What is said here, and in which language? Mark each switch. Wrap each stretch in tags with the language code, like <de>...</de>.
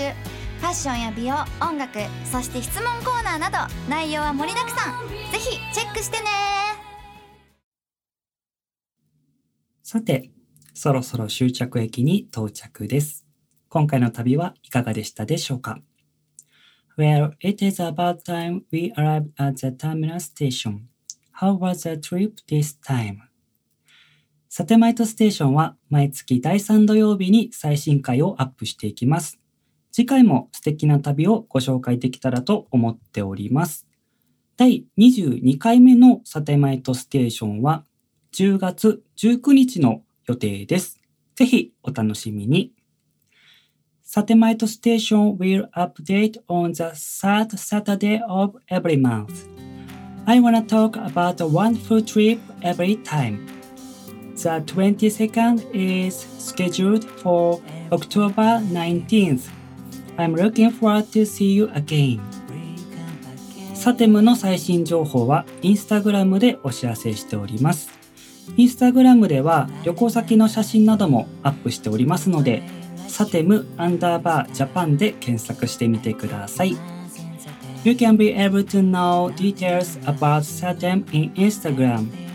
<ja>ファッションや美容、音楽、そして質問コーナーなど内容は盛りだくさん、ぜひチェックしてね。さて、そろそろ終着駅に到着です。今回の旅はいかがでしたでしょうか。</ja> <en>Well, it is about time we arrived at the terminal station. How was the trip this time?</en> <ja>サテライトステーションは毎月第3土曜日に最新回をアップしていきます。次回も素敵な旅をご紹介できたらと思っております。第22回目のサテライトステーションは10月19日の予定です。ぜひお楽しみに。</ja> <en>サテライトステーション will update on the third Saturday of every month. I wanna talk about a wonderful trip every timeThe 22nd is scheduled for October 19th. I'm looking forward to see you again.</en> <ja>サテムの最新情報はインスタグラムでお知らせしております。インスタグラムでは旅行先の写真などもアップしておりますので、サテムアンダーバージャパンで検索してみてください。</ja> <en>You can be able to know details about サテム in Instagram.</en>